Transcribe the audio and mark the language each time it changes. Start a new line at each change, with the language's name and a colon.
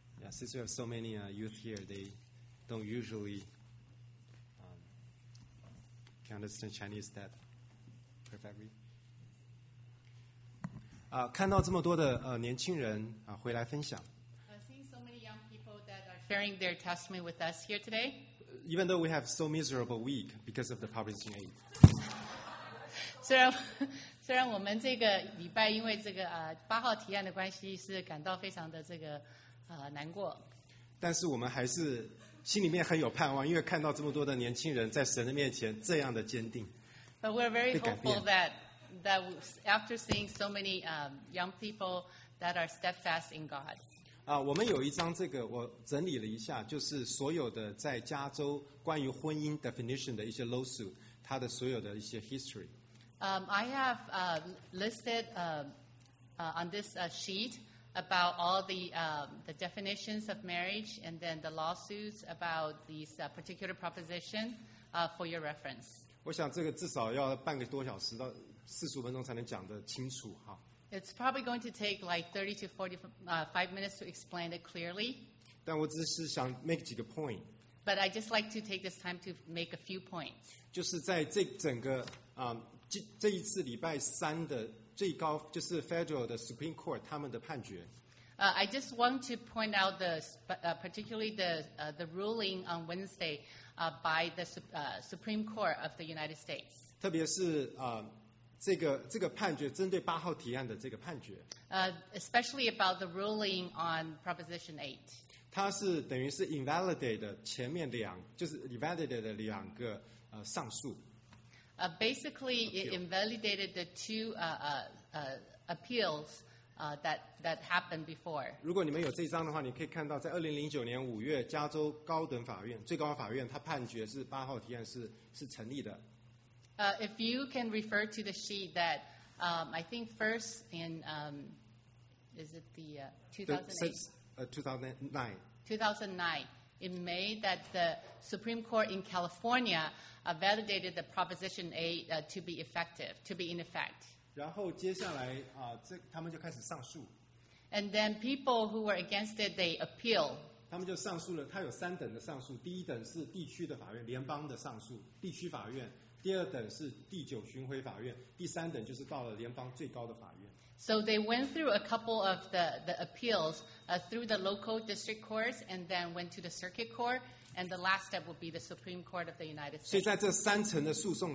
English: Since we have so many youth here, they don't usually can understand Chinese that perfectly.
Chinese: 看到这么多的年轻人回来分享。
English: Seeing so many young people that are sharing their testimony with us here today. Even though we have so miserable week because of the Proposition 8.
Chinese: 虽然我们这个礼拜因为这个八号提案的关系是感到非常的这个。难过，但是我们还是心里面很有盼望，因为看到这么多的年轻人在神的面前这样的坚定。
English: But we're very hopeful that after seeing so many young people that are steadfast in God.
Chinese: 我们有一张这个，我整理了一下，就是所有的在加州关于婚姻 definition 的一些 lawsuit， 它的所有的一些 history。
English: I have listed on this sheet. About all the definitions of marriage and then the lawsuits about these particular proposition for your reference.
Chinese: 我想这个至少要半个多小时到四十五分钟才能讲得清楚哈。
English: It's probably going to take like 30 to 45 minutes to explain it clearly.
Chinese: 但我只是想 make 几个 point.
English: But I just like to take this time to make a few points.
Chinese: 就是在这整个这一次礼拜三的。最高就是 federal 的 Supreme Court 他们的判决。
English: I just want to point out the particularly the ruling on Wednesday by the Supreme Court of the United States.
Chinese: 特别是这个判决针对八号提案的这个判决。
English: Especially about the ruling on Proposition 8.
Chinese: 它是等于是 invalidate 前面两就是 invalidate 的两个上诉。
English: Basically, it invalidated the two appeals that happened before.
Chinese: 如果你们有这张的话，你可以看到，在2009年5月，加州高等法院最高法院它判决是八号提案是成立的。
English: If you can refer to the sheet that I think first in Is it the 2009. In May, that the Supreme Court in California validated the Proposition 8 to be effective, to be in effect.
Chinese: 然后接下来, 这他们就开始上诉。
English: And then people who were against it, they appeal.
Chinese: 他们就上诉了，他有三等的上诉。第一等是地区的法院, 联邦的上诉, 地区法院。第二等是第九巡回法院，第三等就是到了联邦最高的法院。
English: So they went through a couple of the appeals through the local district courts and then went to the circuit court, and the last step would be the Supreme Court of the United States.